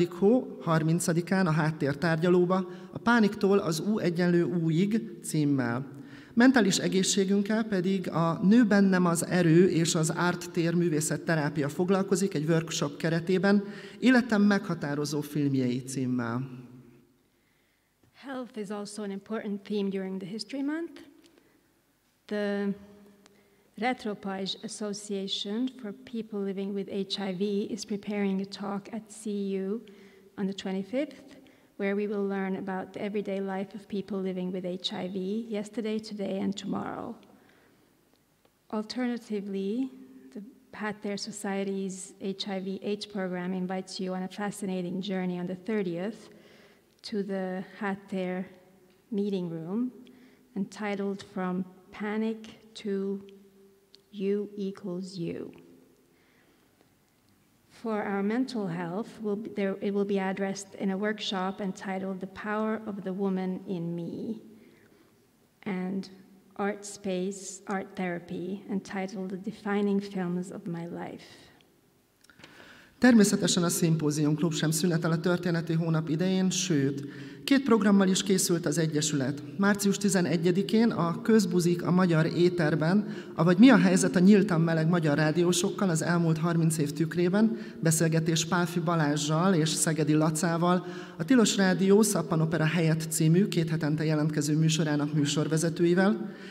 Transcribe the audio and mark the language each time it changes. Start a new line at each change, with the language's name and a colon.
Hungarian: hó 30-án a háttértárgyalóba, a Pániktól az U egyenlő Újig címmel. Mentális egészségünkkel pedig a Nő bennem az erő és az árt tér művészet terápia foglalkozik egy workshop keretében, életem meghatározó filmjei címmel.
English: Health is also an important theme during the History Month. The Retro Pajzs Association for People Living with HIV is preparing a talk at CU on the 25th. Where we will learn about the everyday life of people living with HIV yesterday, today, and tomorrow. Alternatively, the Pather Society's HIV/AIDS program invites you on a fascinating journey on the 30th to the Pather meeting room, entitled From Panic to U Equals U. For our mental health, it will be addressed in a workshop entitled The Power of the Woman in Me and Art Space, Art Therapy, entitled The Defining Films of My Life.
Hungarian: Természetesen a Szimpózium Klub sem szünetel a történeti hónap idején, sőt, két programmal is készült az Egyesület. Március 11-én a Közbuzik a Magyar Éterben, avagy Mi a helyzet a nyíltan meleg magyar rádiósokkal az elmúlt 30 év tükrében, beszélgetés Pálfi Balázzsal és Szegedi Lacával, a Tilos Rádió Szappanopera helyett című két hetente jelentkező műsorának műsorvezetőivel,